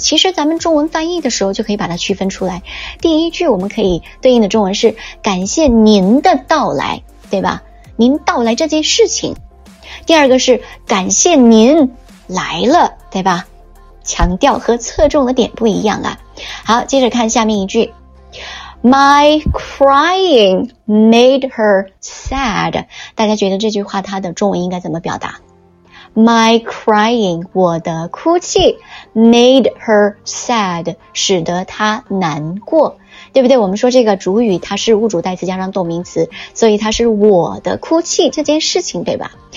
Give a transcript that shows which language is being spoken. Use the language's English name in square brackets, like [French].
[Chinese] 其实咱们中文翻译的时候就可以把它区分出来，第一句我们可以对应的中文是感谢您的到来，对吧？您到来这件事情。第二个是感谢您来了，对吧？强调和侧重的点不一样啊。好，接着看下面一句， [English] My crying made her sad。 [Chinese] 大家觉得这句话它的中文应该怎么表达？ [English] My crying， [Chinese] 我的哭泣， [English] made her sad， [Chinese] 使得她难过，对不对？我们说这个主语它是物主代词加上动名词，所以它是我的哭泣这件事情，对吧？